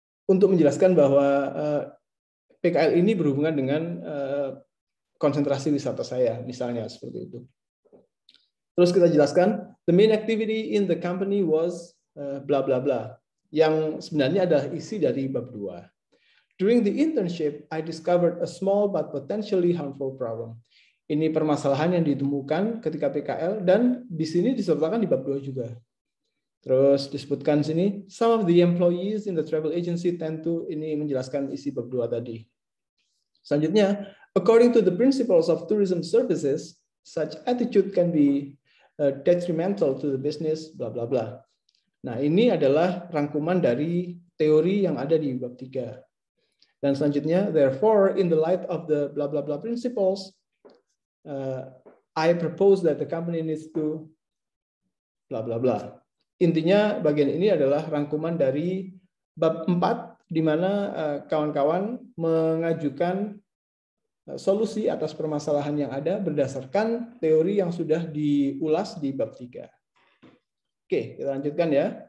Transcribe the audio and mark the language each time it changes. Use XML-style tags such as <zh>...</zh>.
<id>Untuk menjelaskan bahwa PKL ini berhubungan dengan konsentrasi wisata saya, misalnya seperti itu. Terus kita jelaskan,</id> <en>the main activity in the company was bla bla</en> <id>bla, yang sebenarnya adalah isi dari bab 2.</id> <en>During the internship, I discovered a small but potentially harmful problem.</en> <id>Ini permasalahan yang ditemukan ketika PKL, dan di sini disertakan di bab 2 juga. Terus disebutkan sini,</id> <en>some of the employees in the travel agency tend to,</en> <id>ini menjelaskan isi bab 2 tadi.</id> <en>Selanjutnya, according to the principles of tourism services, such attitude can be detrimental to the business, blah, blah, blah.</en> <id>Nah, ini adalah rangkuman dari teori yang ada di bab 3. Dan selanjutnya,</id> <en>therefore, in the light of the blah, blah, blah principles, I propose that the company needs to blah, blah, blah.</en> <id>Intinya bagian ini adalah rangkuman dari bab 4, di mana kawan-kawan mengajukan solusi atas permasalahan yang ada berdasarkan teori yang sudah diulas di bab 3. Oke, kita lanjutkan ya.</id>